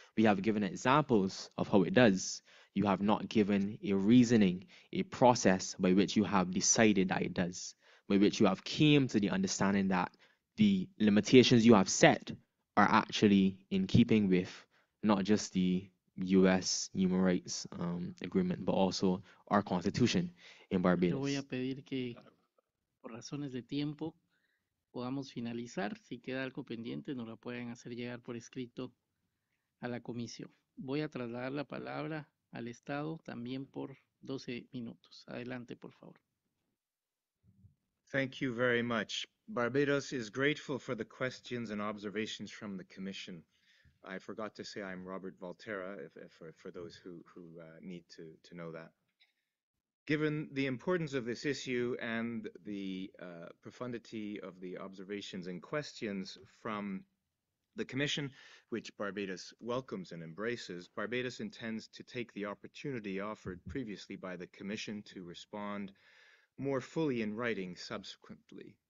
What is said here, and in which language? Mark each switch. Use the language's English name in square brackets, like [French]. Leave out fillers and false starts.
[English] We have given examples of how it does. You have not given a reasoning, a process by which you have decided that it does, by which you have came to the understanding that the limitations you have set are actually in keeping with not just the U.S. Human Rights Agreement, but also our Constitution in Barbados. [Spanish] Yo voy a pedir que, por razones de tiempo, podamos finalizar. Si queda algo pendiente, nos lo pueden hacer llegar por escrito a la comisión. Voy a trasladar la palabra al Estado también por 12 minutos. Adelante, por favor. [English] Thank you very much. Barbados is grateful for the questions and observations from the Commission. I forgot to say I'm Robert Valterra, for those who need to know that. Given the importance of this issue and the profundity of the observations and questions from the Commission, which Barbados welcomes and embraces, Barbados intends to take the opportunity offered previously by the Commission to respond more fully in writing subsequently.